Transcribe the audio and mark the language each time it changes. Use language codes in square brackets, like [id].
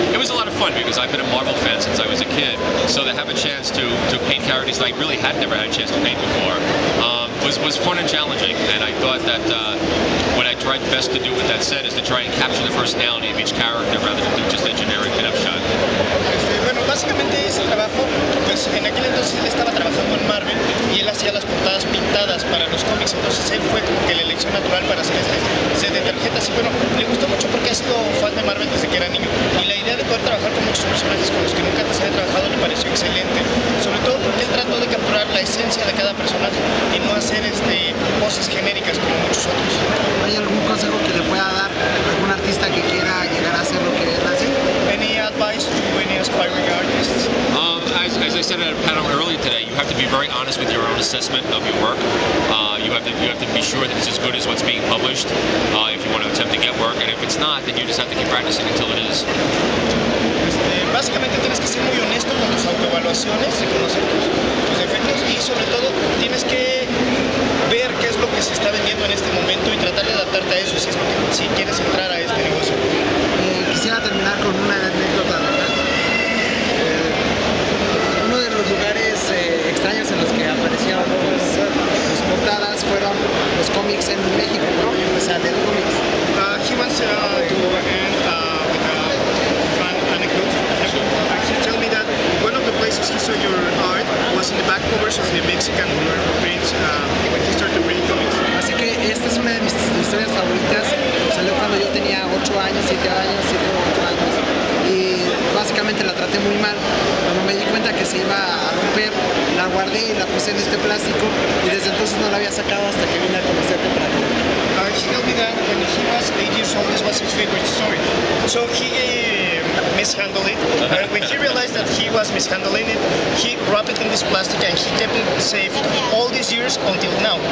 [en] It was a lot of fun because I've been a Marvel fan since I was a kid, so to have a chance to paint characters that I really had never had a chance to paint before was fun and challenging. And I thought that what I tried best to do with that set is to try and capture the personality of each character rather than just a generic snapshot. [es] Básicamente es el trabajo, pues en aquel entonces él estaba trabajando en Marvel y él hacía las portadas pintadas para los cómics, entonces él fue como que la elección natural para hacer este set de tarjetas, y bueno, le gustó mucho porque ha sido fan de Marvel desde que era niño, y la idea de poder trabajar con muchos personajes con los que nunca antes había trabajado le pareció excelente, sobre todo porque él trató de capturar la esencia de cada personaje y no hacer poses genéricas como muchos otros. ¿Hay algún consejo que le pueda dar a algún artista que quiera llegar a hacer lo que él hace? [en] Any advice to any aspiring artists? As I said at a panel earlier today, you have to be very honest with your own assessment of your work. You have to be sure that it's as good as what's being published if you want to attempt to get work. And if it's not, then you just have to keep practicing until it is. [es] Básicamente tienes que ser muy honesto con tus autoevaluaciones, reconocer tus defectos, y sobre todo tienes que ver qué es lo que se está vendiendo en este momento y tratar de adaptarte a eso si quieres entrar a este negocio. Quisiera terminar con una anécdota, ¿verdad? Uno de los lugares extraños en los que aparecieron las portadas fueron los cómics en México, ¿no? Yo empecé a leer cómics. [en] He wants to end with a fun anecdote. He told me that one of the places he saw your art was in the back covers of the Mexican War prints when he started reading comics. [es] Así que esta es una de mis historias favoritas. Salió cuando yo tenía 8 años, 7 años, 7 o 8 años. Y básicamente la traté muy mal. Cuando me di cuenta que se iba a romper, la guardé y la puse en este plástico. Y desde entonces no la había sacado hasta que vine a conocerte para aquí. [en] that when he was 8 years old, this was his favorite story. So he mishandled it. And when he realized that he was mishandling it, he wrapped it in this plastic and he kept it safe all these years until now.